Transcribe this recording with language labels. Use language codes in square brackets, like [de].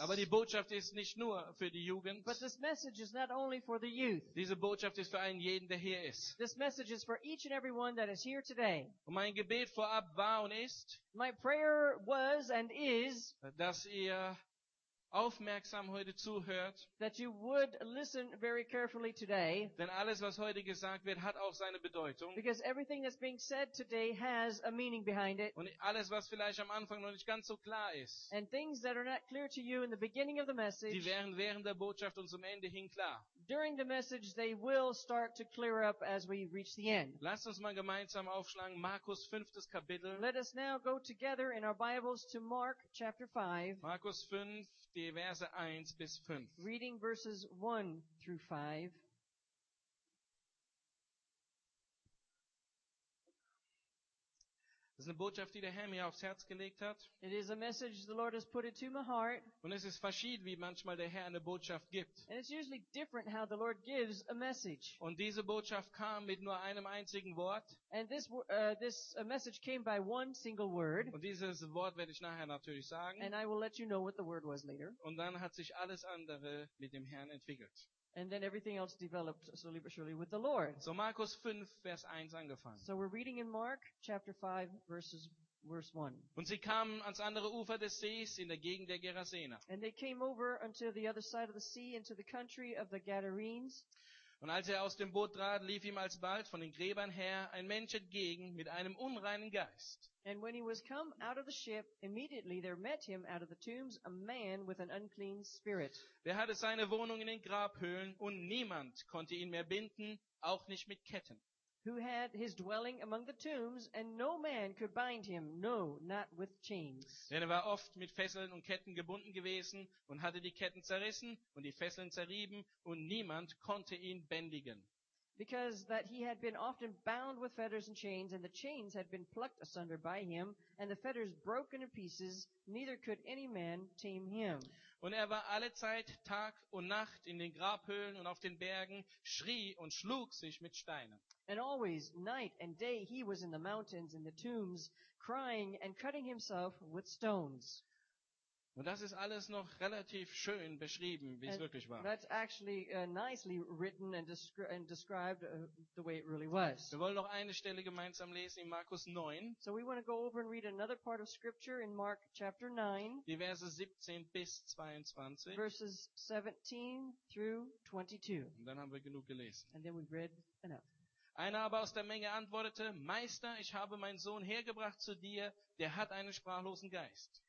[de] Aber die Botschaft ist nicht nur für die Jugend. [en] But this message is not only for the youth. [de] Diese Botschaft ist für einen jeden, der hier ist. [en] This message is for each and everyone that is here today. [de] Und mein Gebet vorab war und ist, [en] my prayer was and is, [de] dass ihr aufmerksam heute zuhört. [en] That you would listen very carefully today. [de] Denn alles, was heute gesagt wird, hat auch seine Bedeutung. [en] Because everything that's being said today has a meaning behind it. [de] Und alles, was vielleicht am Anfang noch nicht ganz so klar ist. [en] And things that are not clear to you in the beginning of the message. [de] Die werden während der Botschaft und zum Ende hin klar. [en] During the message, they will start to clear up as we reach the end. [de] Lasst uns mal gemeinsam aufschlagen, Markus 5. Kapitel. [en] Let us now go together in our Bibles to Mark chapter 5. [de] Markus 5. Die Verse 1 bis 5. [en] Reading verses 1 through 5. [de] Das ist eine Botschaft, die der Herr mir aufs Herz gelegt hat. [en] It is a message the Lord has put it to my heart. [de] Und es ist verschieden, wie manchmal der Herr eine Botschaft gibt. [en] And it's usually different how the Lord gives a message. [de] Und diese Botschaft kam mit nur einem einzigen Wort. [en] And this message came by one single word. [de] Und dieses Wort werde ich nachher natürlich sagen. [en] And I will let you know what the word was later. [de] Und dann hat sich alles andere mit dem Herrn entwickelt. [en] And then everything else developed slowly but surely with the Lord. [de] So Markus 5, Vers 1 angefangen. [en] So we're reading in Mark chapter 5 verse 1. [de] Und sie kamen ans andere Ufer des Sees in der Gegend der Gerasener. [en] And they came over unto the other side of the sea into the country of the Gadarenes. [de] Und als er aus dem Boot trat, lief ihm alsbald von den Gräbern her ein Mensch entgegen mit einem unreinen Geist. [en] And when he was come out of the ship, immediately there met him out of the tombs a man with an unclean spirit. [de] Der hatte seine Wohnung in den Grabhöhlen und niemand konnte ihn mehr binden, auch nicht mit Ketten. [en] Who had his dwelling among the tombs and no man could bind him, no, not with chains. [de] Denn er war oft mit Fesseln und Ketten gebunden gewesen und hatte die Ketten zerrissen und die Fesseln zerrieben und niemand konnte ihn bändigen. [en] Because that he had been often bound with fetters and chains and the chains had been plucked asunder by him and the fetters broken in pieces, neither could any man tame him. [de] Und er war allezeit Tag und Nacht in den Grabhöhlen und auf den Bergen, schrie und schlug sich mit Steinen. [en] And always, night and day, he was in the mountains, in the tombs, crying and cutting himself with stones. [de] Und das ist alles noch relativ schön beschrieben, wie es wirklich war. [en] That's actually nicely written and described the way it really was. [de] Wir wollen noch eine Stelle gemeinsam lesen in Markus 9. [en] So we want to go over and read another part of scripture in Mark chapter 9. [de] Die Verse 17 bis 22. [en] Verses 17 through 22. [de] Und dann haben wir genug gelesen. [en] And then we've read enough. [de] Einer aber aus der Menge antwortete, Meister, ich habe meinen Sohn hergebracht zu dir, der hat einen sprachlosen Geist.